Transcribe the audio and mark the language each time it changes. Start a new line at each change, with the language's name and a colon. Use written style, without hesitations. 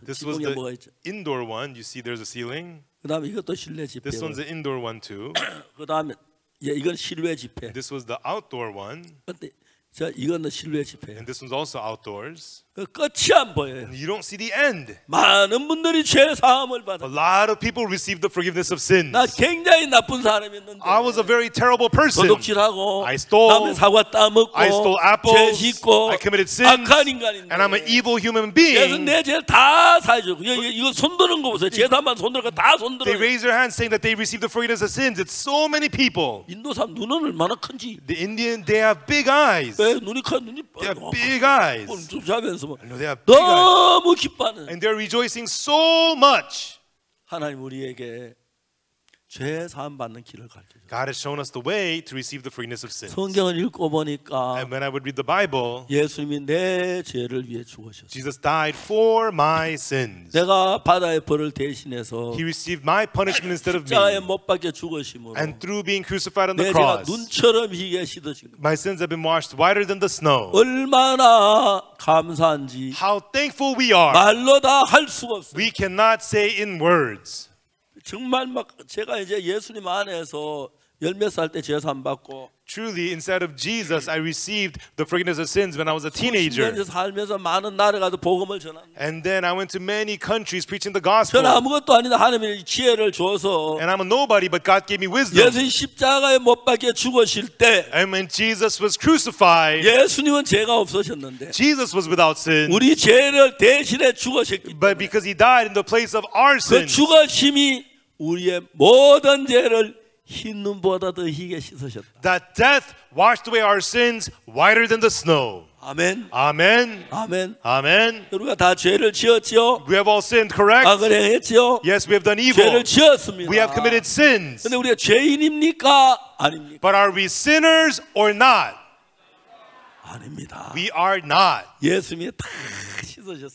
English: This was the indoor one. You see there's a ceiling.
Korean: 그다음 이것도 실내 집회.
English: This one's an indoor one too.
Korean: 그다음에 예, 이건 실외 집회.
English: This was the outdoor one.
Korean: 근데 자, 이거는 실외 집회.
English: And this one's also outdoors.
Korean: 그 끝이 안 보여요.
English: And you don't see the end.
Korean: 많은 분들이 죄 사함을 받아.
English: A lot of people received the forgiveness of sins.
Korean: 나 굉장히 나쁜 사람이었는데.
English: I was a very terrible person.
Korean: 도둑질하고
English: I stole.
Korean: 남의 사과 따먹고
English: I stole apples.
Korean: 죄 짓고
English: I committed sins.
Korean: 악한 인간인데.
English: And I'm an evil human being.
Korean: 그래서 내 죄 다 사해주고 이거 손드는 거 보세요. 죄담만 손들고 다 손들어.
English: They raise their hands saying that they received the forgiveness of sins. It's so many people.
Korean: 인도 사람 눈은 얼마나 큰지.
English: The Indian they have big eyes.
Korean: 네, 눈이 커 눈이
English: They have big eyes.
Korean: 눈좀자면서
English: I know they have
Korean: 너무 기뻐하는
English: And they're rejoicing so much.
Korean: 하나님 우리에게 죄 사함 받는 길을 가르쳐 주셨어.
English: God has shown us the way to receive the forgiveness of sins.
Korean: 성경을 읽고 보니까
English: And when I would read the Bible,
Korean: 예수님이 내 죄를 위해 죽으셨어.
English: Jesus died for my sins.
Korean: 내가 받아야 벌을 대신해서
English: He received my punishment instead of me.
Korean: 십자가에 못 박혀 죽으심으로
English: And through being crucified on the cross.
Korean: 내 죄가 눈처럼 희게 씻어진 거.
English: My sins have been washed whiter than the snow.
Korean: 얼마나 감사한지
English: How thankful we are.
Korean: 말로 다 할 수가 없어.
English: We cannot say in words.
Korean: 정말 막 제가 이제 예수님 안에서 열몇 살 때 죄 사함 받고
English: Truly instead of Jesus I received the forgiveness of sins when I was a teenager.
Korean: 살면서 많은 나라 가서 복음을 전한
English: And then I went to many countries preaching the gospel.
Korean: 전 아무것도 아닌데 하나님이 지혜를 줘서
English: And I'm a nobody but God gave me wisdom.
Korean: 예수님 십자가에 못 박혀 죽으실 때
English: And when Jesus was crucified.
Korean: 예수님은 죄가 없으셨는데
English: Jesus was without sin.
Korean: 우리 죄를 대신에 죽으셨기 때문에
English: But because he died in the place of our sins.
Korean: 그 죽으심이 우리의 모든 죄를 흰 눈보다 더 희게 씻으셨다.
English: That death washed away our sins whiter than the snow.
Korean: 아멘. 아멘. 아멘. 아멘. 우리가 다 죄를 지었지요.
English: We have all sinned, correct?
Korean: 악을 했지요.
English: Yes, we have done evil.
Korean: 죄를 지었습니다.
English: We have committed sins.
Korean: 근데 우리가 죄인입니까? 아닙니까?
English: But are we sinners or not?
Korean: 아닙니다.
English: We are not.
Korean: 예수님이 다 씻으셨습니다.